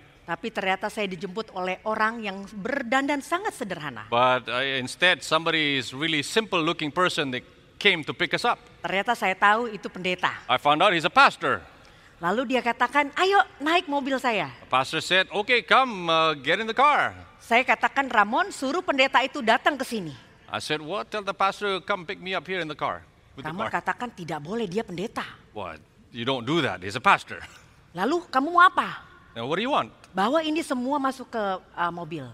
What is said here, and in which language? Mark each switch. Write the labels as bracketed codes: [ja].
[id] Tapi ternyata saya dijemput oleh orang yang berdandan sangat sederhana. [en] But instead somebody is really simple looking person that came to pick us up. [id] Ternyata saya tahu itu pendeta. [en] I found out he's a pastor. [id] Lalu dia katakan, "Ayo naik mobil saya." [en] The pastor said, "Okay, come get in the car." [id] Saya katakan, "Ramon, suruh pendeta itu datang ke sini." [en] I said, "What? Tell the pastor come pick me up here in the car." [id] Kamu katakan tidak boleh, dia pendeta. [en] What? You don't do that. He's a pastor. [id] Lalu kamu mau apa? [en] Now, what do you want? [id] Bawa ini semua masuk ke mobil.